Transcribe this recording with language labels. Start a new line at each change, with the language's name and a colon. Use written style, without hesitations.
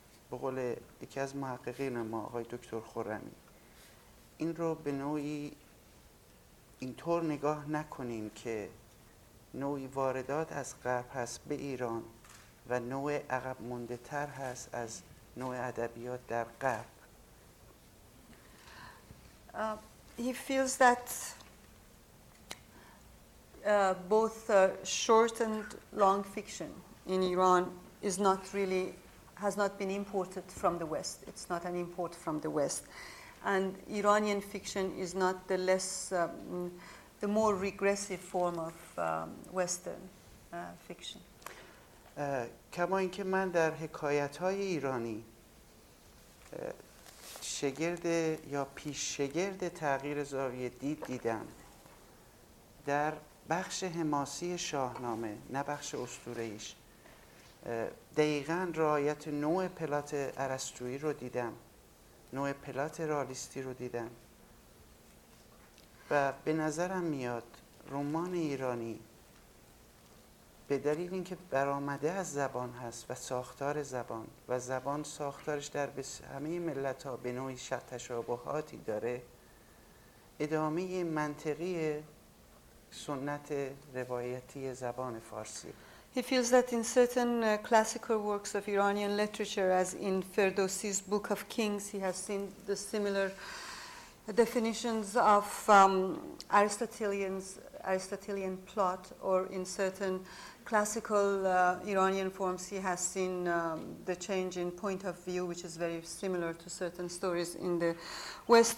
Persian: به قول یکی از محققین ما، آقای دکتر خرمی، این رو به نوعی اینطور نگاه نکنیم که نوعی واردات از غرب هست به ایران و نوع عقب مونده تر هست از نوع ادبیات در غرب.
English: He feels that both short and long fiction in Iran is not really, has not been imported from the West. It's not an import from the West. And Iranian fiction is not the less, the more regressive form of Western fiction.
Persian: کما اینکه من در حکایت‌های ایرانی شگرد یا پیش شگرد تغییر زاویه دید دیدم در بخش حماسی شاهنامه، نه بخش اسطوره‌ایش، دقیقاً رعایت نوع پلات ارسطویی رو دیدم، نوع پلات رئالیستی رو دیدم، و به نظرم میاد رمان ایرانی به دلیل اینکه برآمده از زبان هست و ساختار زبان و زبان ساختارش در همه ملت‌ها به نوعی تشابهاتی داره، ادامه منطقی سنت روایتی زبان فارسی.
English: He feels that in certain classical works of Iranian literature, as in Ferdowsi's Book of Kings, he has seen the similar definitions of Aristotelian plot, or in certain classical Iranian forms, he has seen the change in point of view, which is very similar to certain stories in the West.